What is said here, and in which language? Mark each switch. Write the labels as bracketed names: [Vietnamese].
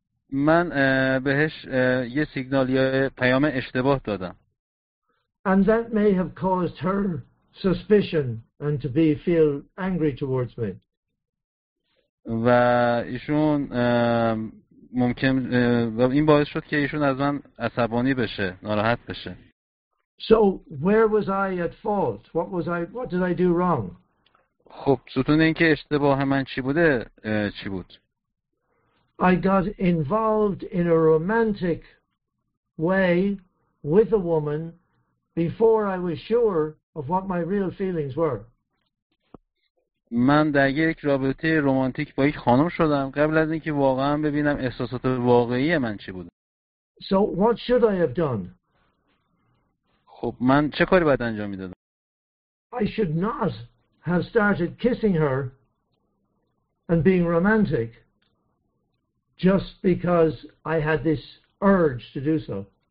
[Persian] من بهش یه سیگنال یا پیام اشتباه دادم. [English] And that may have caused her suspicion and to feel angry towards me. [Persian] و ایشون ممکن این باعث شد که ایشون از من عصبانی بشه، ناراحت بشه. [English] So where was I at fault? What did I do wrong? [Persian] خب ستون این که اشتباه من چی بوده؟ چی بود؟ [English] I got involved in a romantic way with a woman before I was sure of what my real feelings were. [Persian] من در یک رابطه رمانتیک با یک خانم شدم قبل از اینکه واقعا ببینم احساسات واقعی من چی بود. [English] So what should I have done? [Persian] خب من چه کاری باید انجام میدادم؟ [English] I should not have started kissing her and being romantic just because I had this urge to do so.